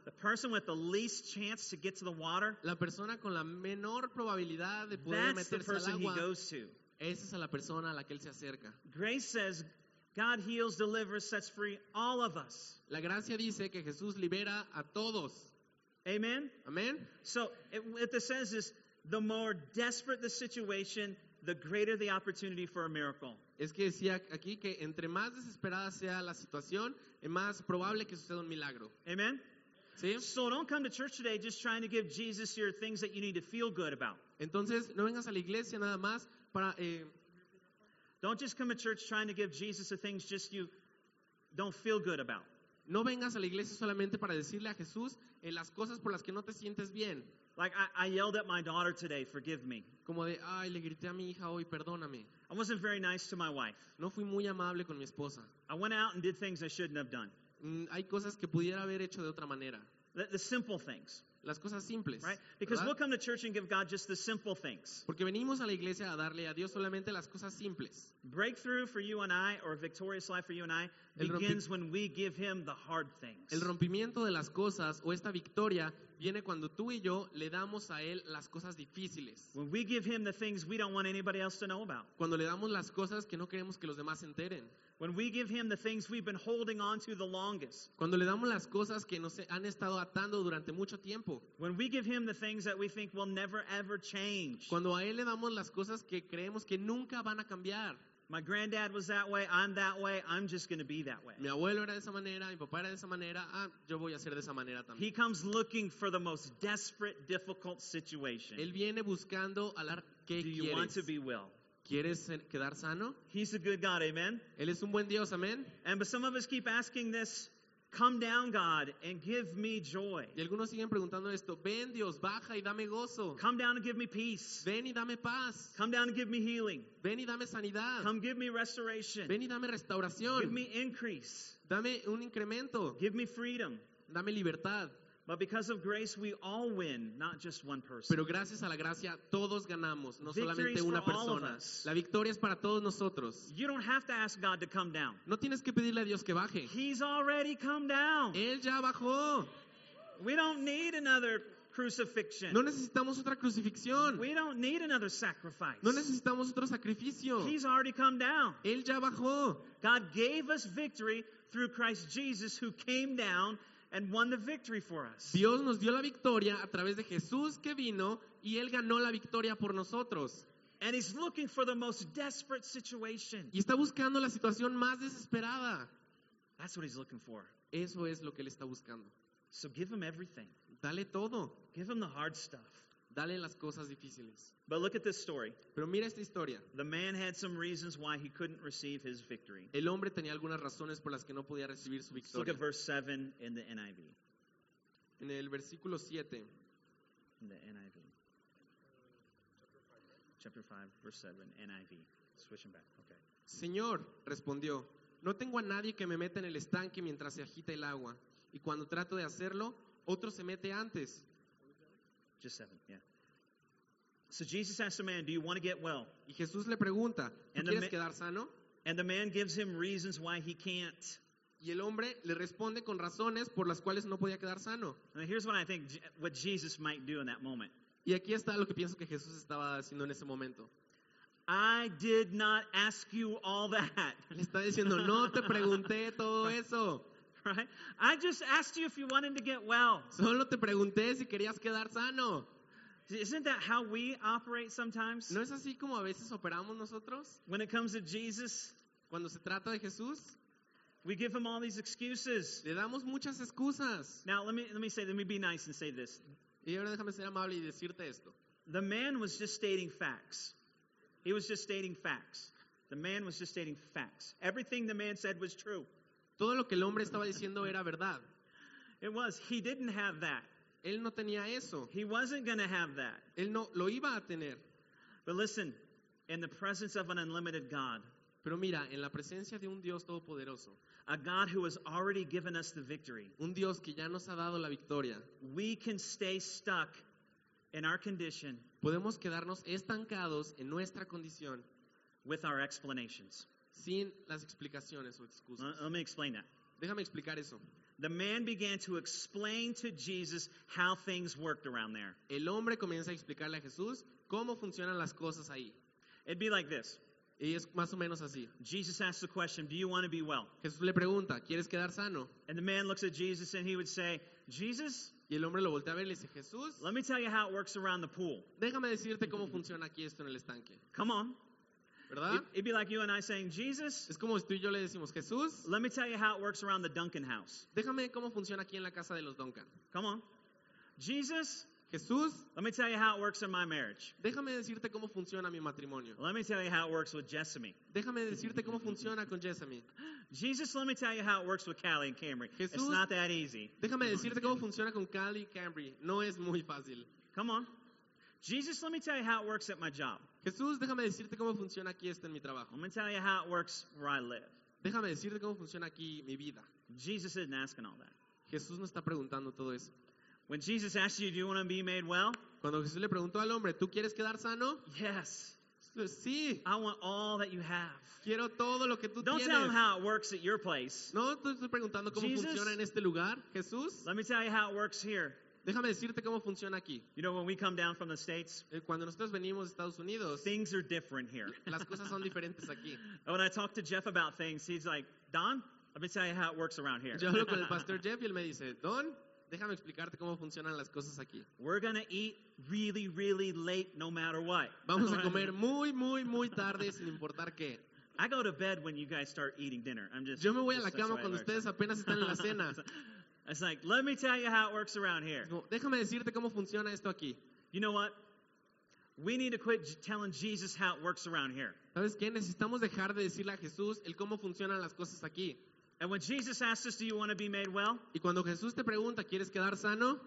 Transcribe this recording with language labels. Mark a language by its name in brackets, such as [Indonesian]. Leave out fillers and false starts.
[English] The person with the least chance to get to the water. [Spanish] La persona con la menor probabilidad de poder meterse al agua. [English] That's the person he goes to. [Spanish] Esa es a la persona a la que él se acerca. [English] Grace says, God heals, delivers, sets free all of us. [Spanish] La gracia dice que Jesús libera a todos. Amen. Amen. [English] So what this says is, the more desperate the situation, the greater the opportunity for a miracle. [Spanish] Es que decía aquí que entre más desesperada sea la situación, es más probable que suceda un milagro. Amen. ¿Sí? [English] So don't come to church today just trying to give Jesus your things that you need to feel good about. [Spanish] Entonces no vengas a la iglesia nada más para. [English] Don't just come to church trying to give Jesus the things just you don't feel good about. [Spanish] No vengas a la iglesia solamente para decirle a Jesús las cosas por las que no te sientes bien. [English] Like I yelled at my daughter today, forgive me. [Spanish] Como de, ay, le grité a mi hija hoy, perdóname. [English] I wasn't very nice to my wife. [Spanish] No fui muy amable con mi esposa. [English] I went out and did things I shouldn't have done. [Spanish] Hay cosas que pudiera haber hecho de otra manera. [English] The simple things. [Spanish] Las cosas simples. [English] Right? Because [Spanish] ¿verdad? [English] We'll come to church and give God just the simple things. [Spanish] Porque venimos a la iglesia a darle a Dios solamente las cosas simples. [English] Breakthrough for you and I, or a victorious life for you and I, begins when we give him the hard things. [Spanish] El rompimiento de las cosas o esta victoria viene cuando tú y yo le damos a él las cosas difíciles. [English] When we give him the things we don't want anybody else to know about. [Spanish] Cuando le damos las cosas que no queremos que los demás se enteren. [English] When we give him the things we've been holding on to the longest. [Spanish] Cuando le damos las cosas que nos han estado atando durante mucho tiempo. [English] When we give him the things that we think will never ever change. [Spanish] Cuando a él le damos las cosas que creemos que nunca van a cambiar. [English] My granddad was that way, I'm that way, I'm just going to be that way. [Spanish] Mi abuelo era de esa manera, mi papá era de esa manera, yo voy a ser de esa manera también. [English] He comes looking for the most desperate, difficult situation. [Spanish] Él viene buscando hablar qué quieres. [English] Do you want to be well? [Spanish] ¿Quieres quedar sano? [English] He's a good God, amen. [Spanish] Él es un buen Dios, amen. [English] And but some of us keep asking this, come down, God, and give me joy. [Spanish] Y algunos siguen preguntando esto, ven Dios, baja y dame gozo. [English] Come down and give me peace. [Spanish] Ven y dame paz. [English] Come down and give me healing. [Spanish] Ven y dame sanidad. [English] Come give me restoration. [Spanish] Ven y dame restauración. [English] Give me increase. [Spanish] Dame un incremento. [English] Give me freedom. [Spanish] Dame libertad. [English] But because of grace, we all win, not just one person. [Spanish] Pero gracias a la gracia, todos ganamos, no solamente una persona. La victoria es para todos nosotros. [English] You don't have to ask God to come down. [Spanish] No tienes que pedirle a Dios que baje. [English] He's already come down. [Spanish] Él ya bajó. [English] We don't need another crucifixion. [Spanish] No necesitamos otra crucifixión. [English] We don't need another sacrifice. [Spanish] No necesitamos otro sacrificio. [English] He's already come down. [Spanish] Él ya bajó. [English] God gave us victory through Christ Jesus, who came down and won the victory for us. [Spanish] Dios nos dio la victoria a través de Jesús que vino y él ganó la victoria por nosotros. [English] And he's looking for the most desperate situation. [Spanish] Y está buscando la situación más desesperada. [English] That's what he's looking for. [Spanish] Eso es lo que él está buscando. [English] So give him everything. [Spanish] Dale todo. [English] Give him the hard stuff. [Spanish] Dale las cosas difíciles. [English] But look at this story. [Spanish] Pero mira esta historia. [English] The man had some reasons why he couldn't receive his victory. [Spanish] El hombre tenía algunas razones por las que no podía recibir su victoria. [English] Look at verse 7 in the NIV. [Spanish] En el versículo 7. [English] In the NIV. Chapter 5, verse 7, NIV. Switching back, okay. [Spanish] Señor, respondió, no tengo a nadie que me meta en el estanque mientras se agita el agua. Y cuando trato de hacerlo, otro se mete antes. [English] Just 7, yeah. So Jesus asks the man, do you want to get well? [Spanish] Y Jesús le pregunta, ¿quieres quedar sano? [English] And the man gives him reasons why he can't. [Spanish] Y el hombre le responde con razones por las cuales no podía quedar sano. [English] And here's what I think what Jesus might do in that moment. [Spanish] Y aquí está lo que pienso que Jesús estaba haciendo en ese momento. [English] I did not ask you all that. [Spanish] Le está diciendo, no te pregunté todo eso. [English] Right? I just asked you if you wanted to get well. [Spanish] Solo te pregunté si querías quedar sano. [English] Isn't that how we operate sometimes? [Spanish] ¿No es así como a veces operamos nosotros? [English] When it comes to Jesus, [Spanish] cuando se trata de Jesús, [English] we give him all these excuses. [Spanish] Le damos muchas excusas. [English] Now let me be nice and say this. [Spanish] Y ahora déjame ser amable y decirte esto. [English] The man was just stating facts. He was just stating facts. The man was just stating facts. Everything the man said was true. [Spanish] Todo lo que el hombre estaba diciendo era verdad. [English] It was. He didn't have that. [Spanish] Él no tenía eso. [English] He wasn't going to have that. [Spanish] Él no lo iba a tener. [English] But listen, in the presence of an unlimited God. [Spanish] Pero mira, en la presencia de un Dios todopoderoso. [English] A God who has already given us the victory. [Spanish] Un Dios que ya nos ha dado la victoria. [English] We can stay stuck in our condition. [Spanish] Podemos quedarnos estancados en nuestra condición. [English] With our explanations. [Spanish] Sin las explicaciones o excusas. [English] Let me explain that. [Spanish] Déjame explicar eso. [English] The man began to explain to Jesus how things worked around there. [Spanish] El hombre comienza a explicarle a Jesús cómo funcionan las cosas ahí. [English] It'd be like this. [Spanish] Y es más o menos así. [English] Jesus asks the question, "Do you want to be well?" [Spanish] Jesús le pregunta, ¿quieres quedar sano? [English] And the man looks at Jesus and he would say, "Jesus?" [Spanish] Y el hombre lo voltea a ver y le dice, "Jesús." [English] Let me tell you how it works around the pool. [Spanish] Déjame decirte cómo funciona aquí esto en el estanque. [English] Come on. [Spanish] ¿Verdad? [English] It'd be like you and I saying, "Jesus." [Spanish] Es como si tú y yo le decimos, "Jesús." [English] Let me tell you how it works around the Duncan house. [Spanish] Déjame cómo funciona aquí en la casa de los Duncan. [English] Come on. Jesus. [Spanish] Jesús, [English] let me tell you how it works in my marriage. [Spanish] Déjame decirte cómo funciona mi matrimonio. [English] Let me tell you how it works with Jessamy. [Spanish] Déjame decirte cómo funciona con Jessamy. [English] Jesus, let me tell you how it works with Callie and Camry. [Spanish] Jesús, [English] it's not that easy. [Spanish] Déjame decirte cómo funciona con Callie y Camry. No es muy fácil. [English] Come on. Jesus, let me tell you how it works at my job. [Spanish] Jesús, déjame decirte cómo funciona aquí esto en mi trabajo. [English] Let me tell you how it works where I live. [Spanish] Déjame decirte cómo funciona aquí mi vida. [English] Jesus isn't asking all that. [Spanish] Jesús no está preguntando todo eso. [English] When Jesus asked you, "Do you want to be made well?" [Spanish] Cuando Jesús le preguntó al hombre, ¿tú quieres quedar sano? [English] Yes. [Spanish] Sí. [English] I want all that you have. [Spanish] Quiero todo lo que tú [English] Don't [Spanish] tienes. [English] Tell him how it works at your place. [Spanish] No, tú estás preguntando cómo [English] Jesus, [Spanish] funciona en este lugar, Jesús. [English] Let me tell you how it works here. [Spanish] Déjame decirte cómo funciona aquí. [English] You know, when we come down from the States, [Spanish] cuando nosotros venimos de Estados Unidos, [English] things are different here. [Spanish] Las cosas son diferentes aquí. [English] When I talk to Jeff about things, he's like, "Don, let me tell you how it works around here." [Spanish] Yo hablo con el pastor Jeff y él me dice, "Don, déjame explicarte cómo funcionan las cosas aquí." [English] We're gonna eat really, really late, no matter what. [Spanish] Vamos a comer muy, muy, muy tarde, sin importar qué. [English] I go to bed when you guys start eating dinner. I'm just. [Spanish] Yo me voy a la cama cuando ustedes apenas están en la cena. [English] It's like, let me tell you how it works around here. [Spanish] Déjame decirte cómo funciona esto aquí. [English] You know what? We need to quit telling Jesus how it works around here. [Spanish] ¿Sabes qué? Necesitamos dejar de decirle a Jesús el cómo funcionan las cosas aquí. [English] And when Jesus asks us, "Do you want to be made well?" [Spanish] Y cuando Jesús te pregunta, ¿quieres quedar sano?